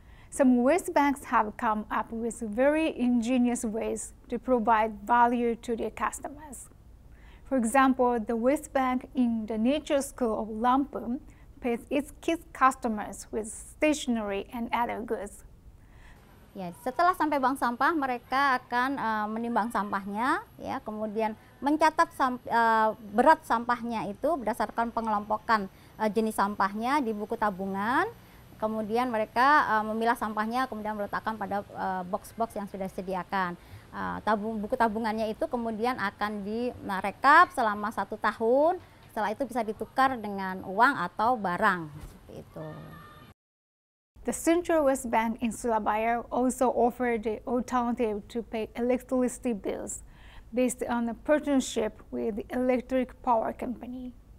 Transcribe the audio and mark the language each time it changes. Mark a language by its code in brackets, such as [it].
[en] Some waste banks have come up with very ingenious ways to provide value to their customers. For example, the waste bank in the Nature School of Lampung pays its kids customers with stationery and other goods. [id] Ya, setelah sampai bank sampah, mereka akan menimbang sampahnya, ya, kemudian mencatat berat sampahnya itu berdasarkan pengelompokan jenis sampahnya di buku tabungan. Kemudian mereka memilah sampahnya, kemudian meletakkan pada box-box yang sudah disediakan. Buku tabungannya itu kemudian akan direkap selama 1 tahun. Setelah itu bisa ditukar dengan uang atau barang. Itu. [en] The Central Waste Bank in Surabaya also offered the alternative to pay electricity bills based on a partnership with the electric power company.